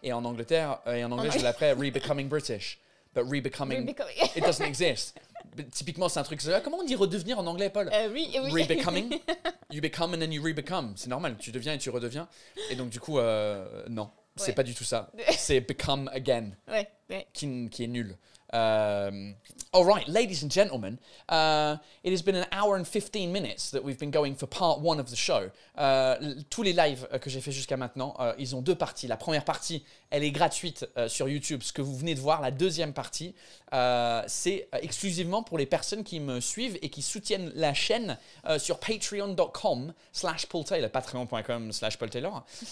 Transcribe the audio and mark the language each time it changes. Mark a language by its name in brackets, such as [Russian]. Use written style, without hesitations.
[French] Et en Angleterre, et en anglais, je vais l'appeler Rebecoming British. [English] But Rebecoming, it doesn't exist. [French] Typiquement, c'est un truc... Comment on dit redevenir en anglais, Paul? Rebecoming. [English] You become and then you rebecome. [French] C'est normal, tu deviens et tu redeviens. Et donc, du coup, non, c'est pas du tout ça. C'est become again, qui est nul. [English] All right, ladies and gentlemen, it has been an hour and 15 minutes that we've been going for part one of the show. [French] Tous les lives que j'ai fait jusqu'à maintenant, ils ont deux parties. La première partie, elle est gratuite sur YouTube, ce que vous venez de voir. La deuxième partie, c'est exclusivement pour les personnes qui me suivent et qui soutiennent la chaîne sur patreon.com/paultaylor, patreon.com/paultaylor.